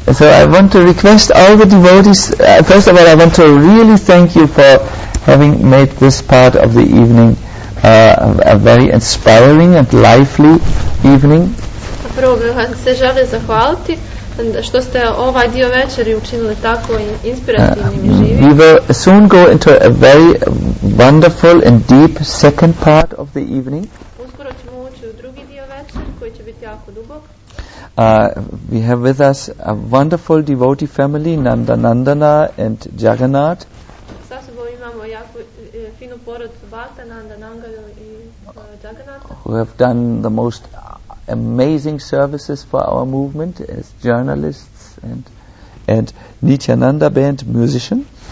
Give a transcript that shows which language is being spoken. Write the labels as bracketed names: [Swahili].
[English] So I want to request all the devotees, first of all I want to really thank you for having made this part of the evening a very inspiring and lively evening. [Bosnian] Prvo bih vam se želio zahvaliti što ste ovaj dio večeri učinili tako inspirativnim I živim. [English] We will soon go into a very wonderful and deep second part of the evening. [Bosnian] Uskoro ćemo ući u drugi dio večer koji će biti jako dubok. [English] We have with us a wonderful devotee family, Nanda Nandana and Jagannath. [Bosnian] Sa sobom imamo jako finu porodicu Bhakta, Nanda Nangalu I Jagannath. [English] Who have done the most amazing services for our movement as journalists and Nityananda band musician.